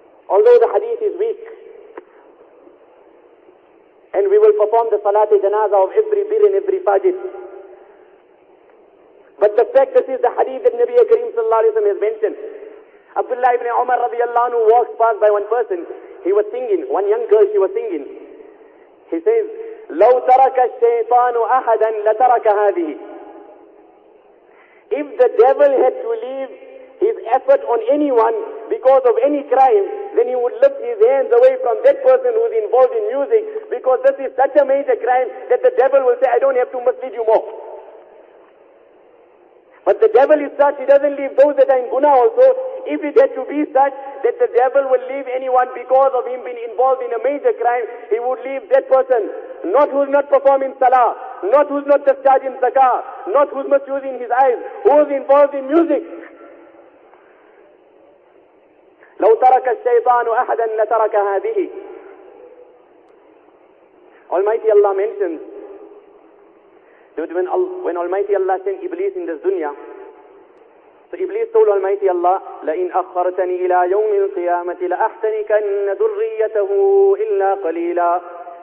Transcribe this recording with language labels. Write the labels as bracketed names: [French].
[English] Although the hadith is weak, and we will perform the salat janaza of every bir and every fajr, but the fact, this is the hadith that Nabi Kareem sallallahu alayhi wa sallam has mentioned. Abdullah ibn Umar radiallahu anhu walked past by one person. He was singing. One young girl, she was singing. He says, [Arabic] لَوْ تَرَكَ الشَّيْطَانُ أَحَدًا لَتَرَكَ هَذِهِ. [English] If the devil had to leave his effort on anyone because of any crime, then he would lift his hands away from that person who is involved in music, because this is such a major crime that the devil will say, I don't have to mislead you more. But the devil is such, he doesn't leave those that are in guna also. If it had to be such that the devil will leave anyone because of him being involved in a major crime, he would leave that person, not who's not performing salah, not who's not discharging zakah, not who's misusing his eyes, who's involved in music. [Arabic] لَوْ تَرَكَ الشَّيْطَانُ أَحَدًا لَتَرَكَ هَذِهِ. [English] Almighty Allah mentions that when Almighty Allah sent Iblis in this dunya, so Iblis told Almighty Allah, [Arabic] لَإِنْ أَخَّرْتَنِي إِلَىٰ يَوْمِ الْقِيَامَةِ لَأَحْتَنِكَنَّ ذُرِّيَّتَهُ إِلَّا قَلِيلًا.